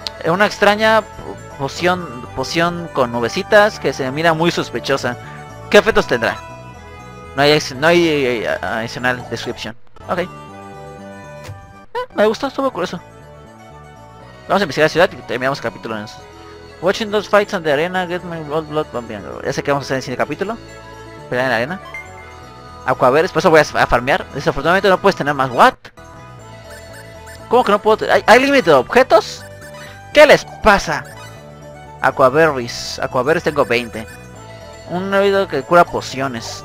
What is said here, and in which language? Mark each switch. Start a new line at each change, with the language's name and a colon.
Spanish: una extraña poción, poción con nubecitas que se mira muy sospechosa. ¿Qué efectos tendrá? No hay adicional descripción. Ok. Me gustó, estuvo curioso. Vamos a investigar la ciudad y terminamos el capítulo en eso.
English: Watching those fights on the arena, get my blood blood bumping.
Spanish: Ya sé que vamos a hacer en el siguiente capítulo. Pelear en la arena. Aquaver, después voy a farmear. Desafortunadamente no puedes tener más.
English: What?
Spanish: ¿Cómo que no puedo tener? ¿Hay límite de objetos? ¿Qué les pasa? Aquaberries. Aquaberries tengo 20. Un oído que cura pociones.